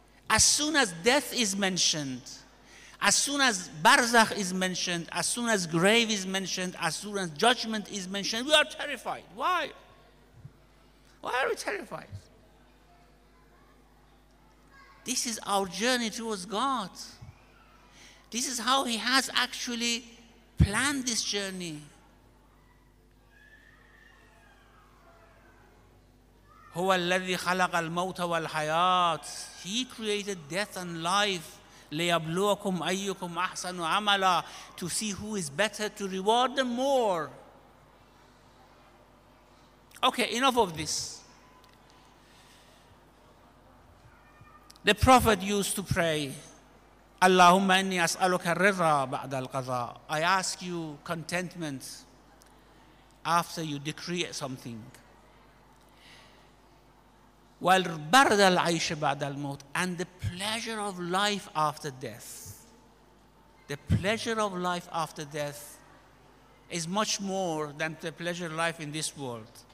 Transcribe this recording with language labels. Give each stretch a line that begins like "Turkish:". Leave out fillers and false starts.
English: As soon as death is mentioned, as soon as barzakh is mentioned, as soon as grave is mentioned, as soon as judgment is mentioned, we are terrified. Why? Why are we terrified? This is our journey towards God. This is how he has actually planned this journey.
Arabic: هو الذي خلق الموت والحياة.
English: He created death and life.
Arabic: ليبلوكم أيكم أحسن عملا.
English: To see who is better, to reward them more. Okay, enough of this. The prophet used to pray,
Arabic: اللهم إني أسألك الرضا بعد القضاء.
English: I ask you contentment after you decree something.
Arabic: والبرد العيش بعد الموت,
English: and the pleasure of life after death. The pleasure of life after death is much more than the pleasure of life in this world.